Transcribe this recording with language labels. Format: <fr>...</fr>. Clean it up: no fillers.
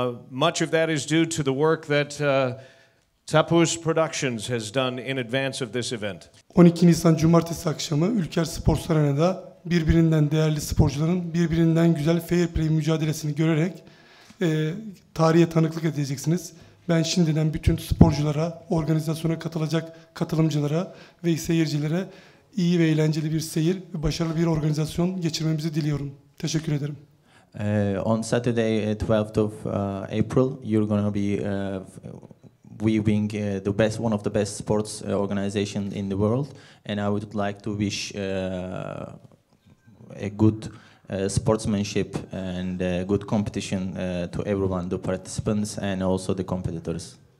<en>Much of that is due to the work that Tapus Productions has done in advance of this event.</en> <tr>12 Nisan Cumartesi akşamı Ülker Spor Salonu'nda birbirinden değerli sporcuların birbirinden güzel fair play mücadelesini görerek tarihe tanıklık edeceksiniz. Ben şimdiden bütün sporculara, organizasyona katılacak katılımcılara ve seyircilere iyi ve eğlenceli bir seyir ve başarılı bir organizasyon geçirmemizi diliyorum. Teşekkür ederim.</tr> <en>On Saturday 12th of April you're going to be weaving the best one of the best sports organization in the world, and I would like to wish a good sportsmanship and good competition to everyone, the participants and also the competitors.</en>